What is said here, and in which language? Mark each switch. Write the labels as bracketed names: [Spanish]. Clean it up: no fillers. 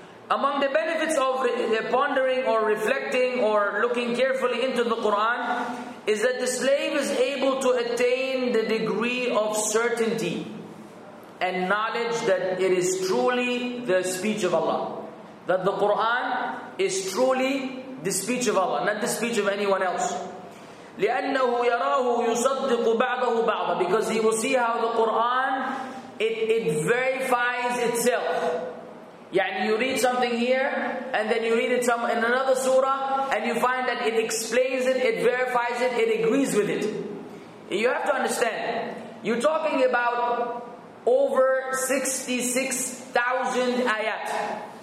[English] Among the benefits of pondering or reflecting or looking carefully into the Qur'an is that the slave is able to attain the degree of certainty and knowledge that it is truly the speech of Allah. That the Qur'an is truly the speech of Allah, not the speech of anyone else. [Arabic] لِأَنَّهُ يَرَاهُ يُصَدِّقُ بَعْضَهُ بَعْضًا. [English] Because he will see how the Qur'an, it verifies itself. [Arabic] يعني [English] you read something here, and then you read it some in another surah, and you find that it explains it, it verifies it, it agrees with it. You have to understand, you're talking about over 66,000 ayat.